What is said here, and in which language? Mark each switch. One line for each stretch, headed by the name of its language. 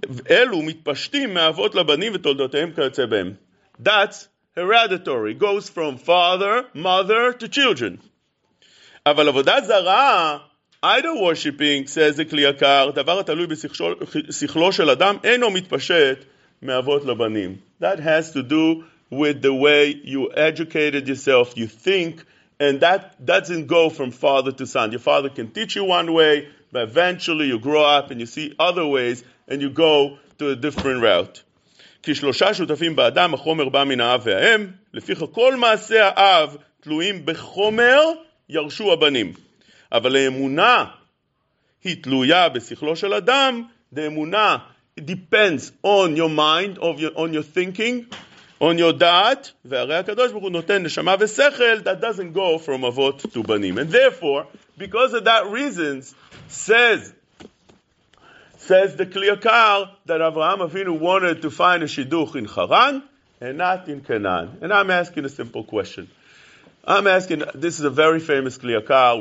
Hebrew: אלו מתפשטים מאבות לבנים ותולדותיהם כיוצא בהם.
English: That's hereditary. Goes from father, mother to children.
Hebrew: אבל עבודה זרה,
English: idol worshipping, says the Kli Yakar,
Hebrew: דבר התלוי בשכלו של אדם, אינו מתפשט מאבות לבנים.
English: That has to do with the way you educated yourself, you think, and that doesn't go from father to son. Your father can teach you one way, but eventually you grow up and you see other ways, and you go to a different route.
Hebrew: כי שלושה שותפים באדם, החומר בא מן האב והאם, לפיך כל מעשי האב תלויים בחומר ירשו הבנים. אבל האמונה היא תלויה בשכלו של אדם.
English: The אמונה, it depends on your mind, of your, on your thinking, on your דעת,
Hebrew: והרי הקדוש ברוך הוא נותן נשמה ושכל,
English: that doesn't go from אבות to בנים. And therefore, because of that reasons, says the Kli Yakar, that Avraham Avinu wanted to find a shiduch in Haran, and not in Canaan. And I'm asking a simple question. I'm asking, this is a very famous Kli Yakar.